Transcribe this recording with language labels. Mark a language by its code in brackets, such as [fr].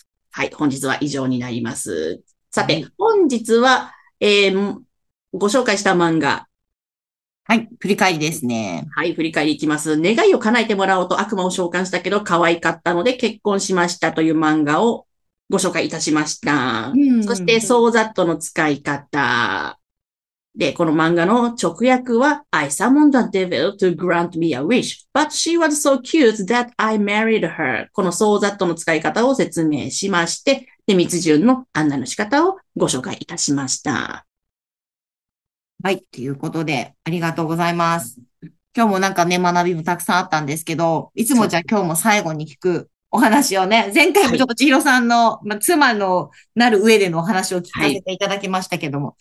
[ja] はい、本日は以上になります。さて、はい、本日は、ご紹介した漫画。はい。振り返りですね。はい。振り返りいきます。願いを叶えてもらおうと悪魔を召喚したけど可愛かったので結婚しましたという漫画をご紹介いたしました。うん、そして、ソーザットの使い方。で、この漫画の直訳は、 [en] I summoned the devil to grant me a wish, but she was so cute that I married her. [ja] このソーザットの使い方を説明しまして、で、密順の案内の仕方をご紹介いたしました。はい。ということで、ありがとうございます。今日もなんかね、学びもたくさんあったんですけど、いつもじゃあ今日も最後に聞くお話をね、前回もちょっと千尋さんの、はい、まあ、妻のなる上でのお話を聞かせていただきましたけども、